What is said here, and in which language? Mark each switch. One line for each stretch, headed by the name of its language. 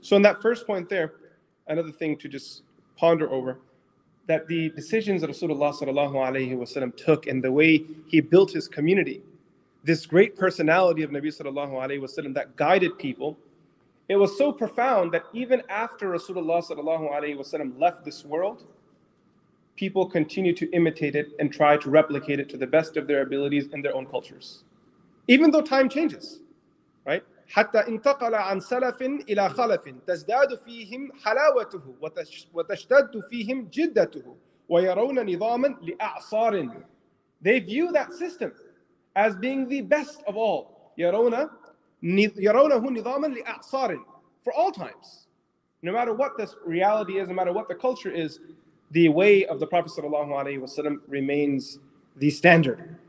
English: So in that first point there, another thing to just ponder over, that the decisions that Rasulullah sallallahu alayhi wa sallam took and the way he built his community, this great personality of Nabi sallallahu alayhi wa sallam that guided people, it was so profound that even after Rasulullah sallallahu alayhi wa sallam left this world, people continued to imitate it and try to replicate it to the best of their abilities in their own cultures. Even though time changes, right?
Arabic: حتى انتقل عن سلف إلى خلف تزداد فيهم حلاوته وتشتد فيهم جدته ويرون نظاما لأعصار.
English: They view that system as being the best of all.
Arabic: يرونه نظاما لأعصار,
English: for all times. No matter what this reality is, no matter what the culture is, the way of the Prophet صلى الله عليه وسلم remains the standard.